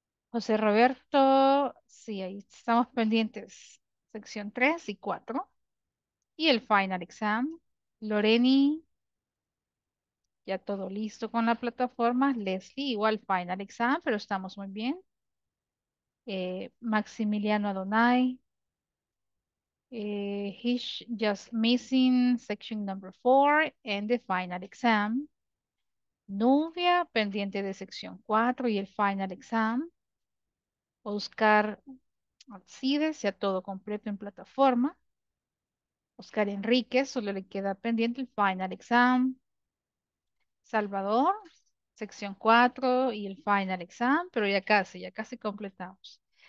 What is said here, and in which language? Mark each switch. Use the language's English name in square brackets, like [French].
[Spanish] José Roberto, sí, ahí estamos pendientes. Sección 3 y 4. Y el final exam. Loreni, ya todo listo con la plataforma. Leslie, igual final exam, pero estamos muy bien. Maximiliano Adonai. [English] He's just missing section number 4 and the final exam. [Spanish] Nubia, pendiente de sección 4 y el final exam. Oscar Alcides, ya todo completo en plataforma. Oscar Enríquez, solo le queda pendiente el final exam. Salvador, sección 4 y el final exam, pero ya casi completamos.